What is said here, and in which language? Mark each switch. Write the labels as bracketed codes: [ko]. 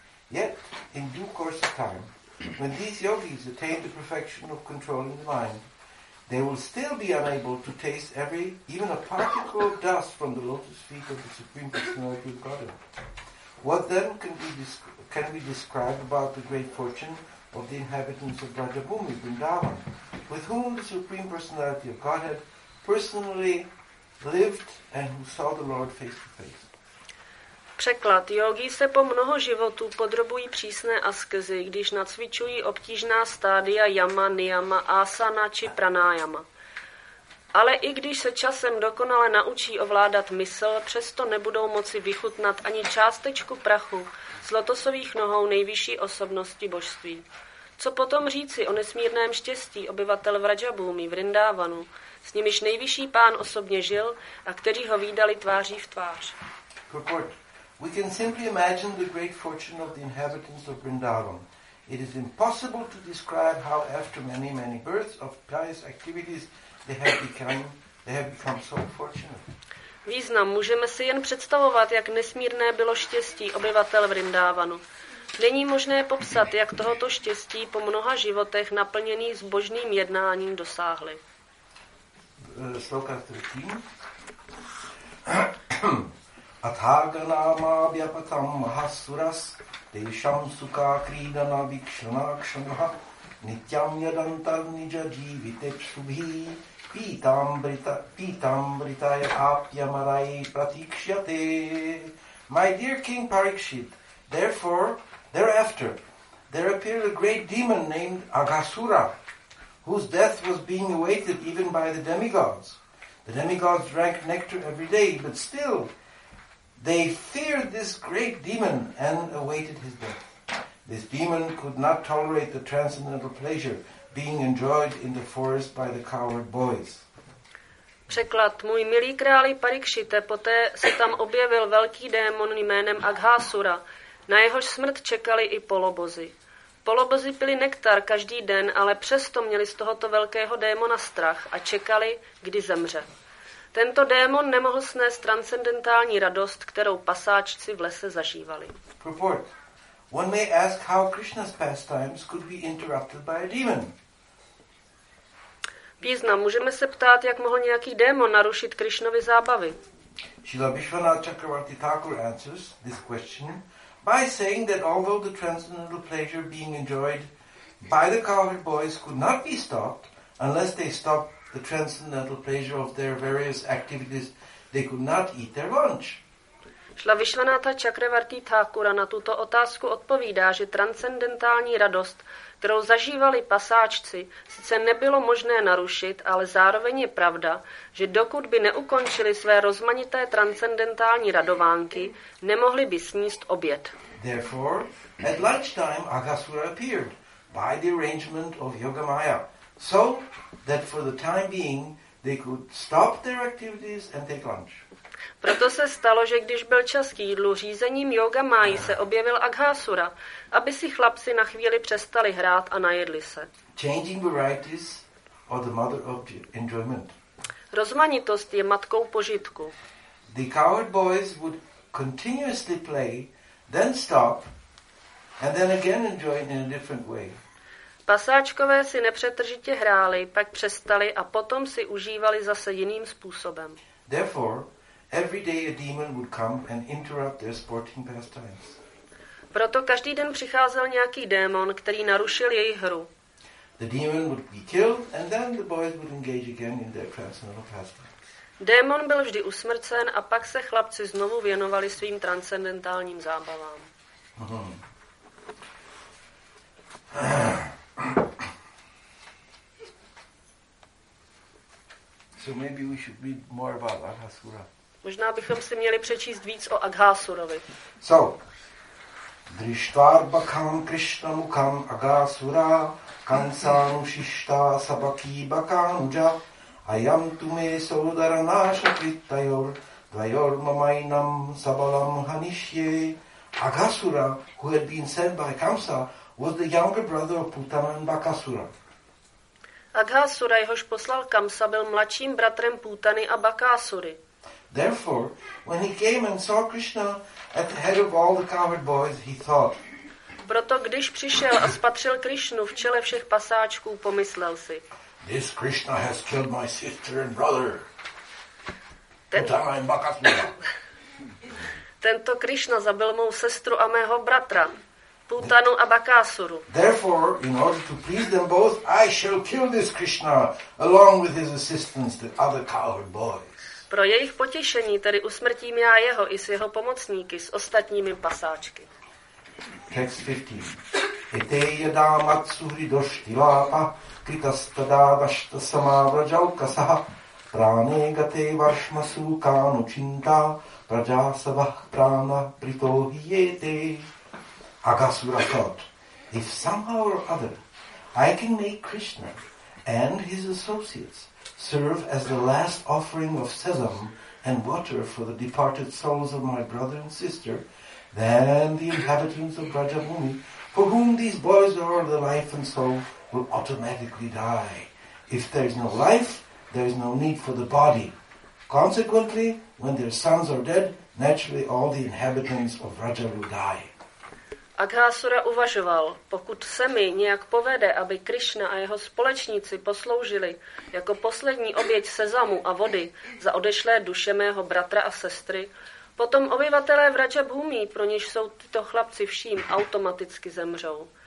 [en] Yet, in due course of time, when these yogis attain the perfection of controlling the mind, they will still be unable to taste every, even a particle of dust from the lotus feet of the Supreme Personality of Godhead. What then can be described about the great fortune of the inhabitants of Brajabhumi, Vrindavan, with whom the Supreme Personality of Godhead personally lived and who saw the Lord face to face. [cs] Překlad. Jogi se po mnoho životů podrobují přísné askezi, když nacvičují obtížná stádia yama, niyama, asana či pranayama. Ale i když se časem dokonale naučí ovládat mysl, přesto nebudou moci vychutnat ani částečku prachu z lotosových nohou nejvyšší osobnosti božství. Co potom říci o nesmírném štěstí obyvatel Vrajabhumi, Vrindávanu, s nimiž nejvyšší pán osobně žil a kteří ho vídali tváří v tvář. [en] Purport. We can simply imagine the great fortune of the inhabitants of Vrindavan. It is impossible to describe how after many, many births of pious activities they have become so fortunate. [cs] Význam. Můžeme si jen představovat, jak nesmírné bylo štěstí obyvatel Vrindávanu. Není možné popsat, jak tohoto štěstí po mnoha životech naplněných zbožným jednáním dosáhli. [en] Sloka 3. [sa] Athaganama vyapatam mahasuras tesham suka kridana vikshana kshanah nityam yadantar nija jivite kshubhi pitambritaya apyamarai pratikshyate. [en] My dear King Parikshit, Thereafter, there appeared a great demon named Agasura, whose death was being awaited even by the demigods. The demigods drank nectar every day, but still they feared this great demon and awaited his death. This demon could not tolerate the transcendental pleasure being enjoyed in the forest by the coward boys. [cs] Překlad. Můj milý králi Parikšite, poté se tam objevil velký démon jménem Agasura. Na jehož smrt čekali i polobozy. Polobozy pili nektar každý den, ale přesto měli z tohoto velkého démona strach a čekali, kdy zemře. Tento démon nemohl snést transcendentální radost, kterou pasáčci v lese zažívali. [en] Purport. One may ask how Krishna's pastimes could be interrupted by a demon. [cs] Význam. Můžeme se ptát, jak mohl nějaký démon narušit Krishnovy zábavy. [en] Srila Vishvanatha Chakravarti Thakur answers this question by saying that although the transcendental pleasure being enjoyed by the cowherd boys could not be stopped unless they stopped the transcendental pleasure of their various activities, they could not eat their lunch. [cs] Šla Vishvanatha Chakravarti Thakura na tuto otázku odpovídá, že transcendentální radost, kterou zažívali pasáčci, sice nebylo možné narušit, ale zároveň je pravda, že dokud by neukončili své rozmanité transcendentální radovánky, nemohli by sníst oběd. [en] Therefore, at lunchtime Agasura appeared by the arrangement of Yogamaya, so that for the time being they could stop their activities and take lunch. [cs] Proto se stalo, že když byl čas k jídlu, řízením Yoga Mayi se objevil Aghasura, aby si chlapci na chvíli přestali hrát a najedli se. [en] Changing varieties are the mother of enjoyment. [cs] Rozmanitost je matkou požitku. [en] The coward boys would continuously play, then stop, and then again enjoy in a different way. [cs] Pasáčkové si nepřetržitě hráli, pak přestali a potom si užívali zase jiným způsobem. [en] Therefore, every day a demon would come and interrupt their sporting pastimes. [cs] Proto každý den přicházel nějaký démon, který narušil jejich hru. [en] The demon would be killed and then the boys would engage again in their transcendental pastimes. [cs] Démon byl vždy usmrcen a pak se chlapci znovu věnovali svým transcendentálním zábavám. [en] So maybe we should read more about Aghasura. [cs] Možná bychom si měli přečíst víc o Aghasurovi. [sa] So, drishtvarbakam krishnamukam Aghasura kansanu shishta sabaki bakamuja ayam tume sodarana shakrittayor dvayor mamainam sabalam hanishye. [en] Aghasura, who had been sent by Kamsa, was the younger brother of Putana and Bakasura. [cs] Aghasura, jehož poslal Kamsa, byl mladším bratrem Putany a Bakasury. [en] Therefore, when he came and saw Krishna at the head of all the coward boys, he thought. [cs] Proto když přišel a spatřil Krishnu v čele všech pasáčků, pomyslel si. [en] This Krishna has killed my sister and brother. Putana and Bakasura. [cs] Tento Krishna zabil mou sestru a mého bratra, Putanu a Bakasuru. [en] Therefore, in order to please them both, I shall kill this Krishna along with his assistants, the other coward boys. [cs] Pro jejich potěšení tedy usmrtím já jeho i s jeho pomocníky s ostatními pasáčky. [en] Text 15. [sa] Ete yada matsuhri doshtilapa kritastada vashta samavrajaukasa prane gate varshmasu kanu chinta prajasavah prana pritohiyete. [en] Aghasura thought, if somehow or other I can make Krishna and his associates serve as the last offering of sesame and water for the departed souls of my brother and sister, then the inhabitants of Brajabhumi, for whom these boys are the life and soul, will automatically die. If there is no life, there is no need for the body. Consequently, when their sons are dead, naturally all the inhabitants of Brajabhumi will die. [cs] Aghasura uvažoval, pokud se mi nějak povede, aby Krishna a jeho společníci posloužili jako poslední oběť sezamu a vody za odešlé duše mého bratra a sestry, potom obyvatelé Vrajabhumi, pro něž jsou tyto chlapci vším, automaticky zemřou.